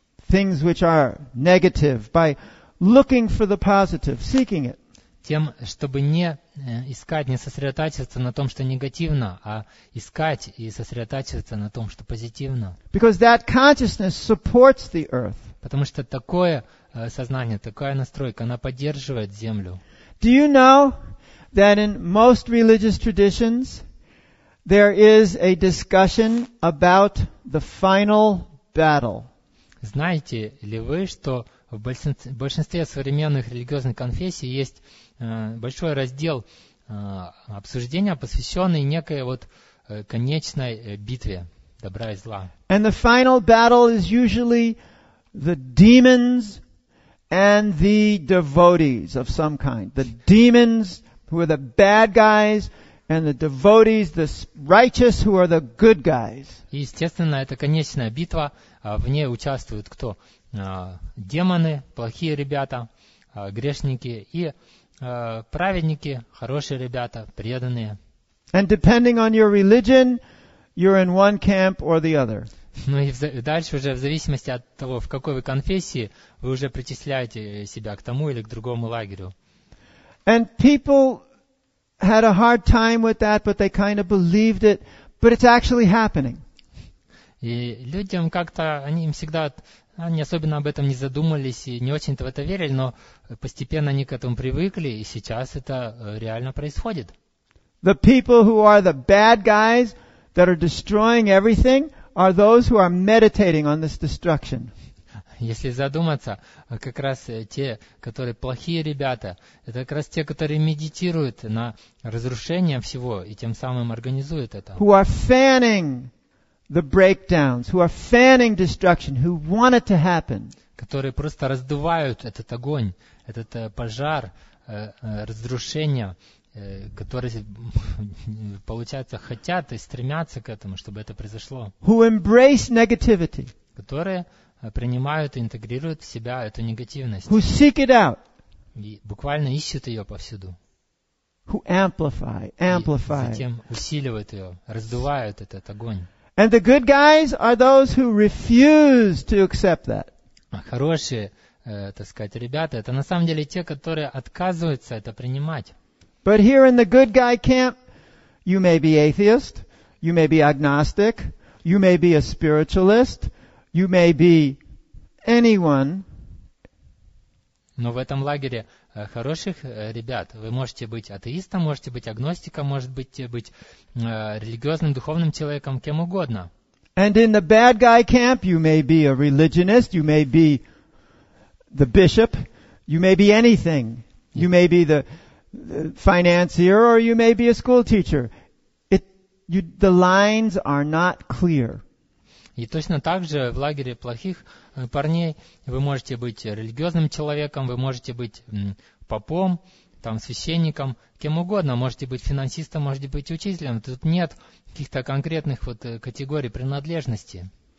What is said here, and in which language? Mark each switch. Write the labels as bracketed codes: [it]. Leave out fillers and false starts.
[en] things which are negative, by looking for the positive, seeking it. [ru] Тем, чтобы не искать, не сосредотачиваться на том, что негативно, а искать и сосредотачиваться на том, что позитивно. [en] Because that consciousness supports the earth. [ru] Потому что такое сознание, такая настройка, она поддерживает землю. [en] Do you know that in most religious traditions there is a discussion about the final battle? [ru] Знаете ли вы, что в большинстве современных религиозных конфессий есть большой раздел обсуждения, посвященный некой вот конечной битве добра и зла? [en] And the final battle is usually the demons and the devotees of some kind. The demons who are the bad guys and the devotees, the righteous who are the good guys. [ru] И, естественно, это конечная битва. В ней участвуют кто? Демоны, плохие ребята, грешники и праведники, хорошие ребята, преданные. [en] And depending on your religion, you're in one camp or the other. [ru] Ну и дальше уже в зависимости от того, в какой вы конфессии, вы уже причисляете себя к тому или к другому лагерю. [en] And people had a hard time with that, but they kind of believed it, but it's actually happening. [ru] И людям как-то, они им всегда, они особенно об этом не задумывались и не очень-то в это верили, но постепенно они к этому привыкли, и сейчас это реально происходит. [en] The people who are the bad guys that are destroying everything are those who are meditating on this destruction. [ru] Если задуматься, как раз те, которые плохие ребята, это как раз те, которые медитируют на разрушение всего и тем самым организуют это. [en] Who are fanning the breakdowns, who are fanning destruction, who want it to happen. [ru] Которые просто раздувают этот огонь, этот пожар, разрушение, которые, получается, хотят и стремятся к этому, чтобы это произошло. [en] Who embrace negativity. [ru] Которые принимают и интегрируют в себя эту негативность. [en] Who seek it out. [ru] И буквально ищут ее повсюду. [en] Who amplify, amplify. [ru] И затем усиливают ее, раздувают этот огонь. [en] And the good guys are those who refuse to accept that. [ru] Хорошие, так сказать, ребята, это на самом деле те, которые отказываются это принимать. [en] But here in the good guy camp, you may be atheist, you may be agnostic, you may be a spiritualist, you may be anyone. [ru] Но в этом лагере хороших ребят, вы можете быть атеистом, можете быть агностиком, можете быть религиозным, духовным человеком, кем угодно. [en] And in the bad guy camp, you may be a religionist, you may be the bishop, you may be anything. You may be the financier, or you may be a school teacher. The lines are not clear. [ru] И точно так же в лагере плохих парней вы можете быть религиозным человеком, вы можете быть попом, там, священником, кем угодно, можете быть финансистом, можете быть учителем. Тут нет каких-то конкретных вот категорий принадлежности.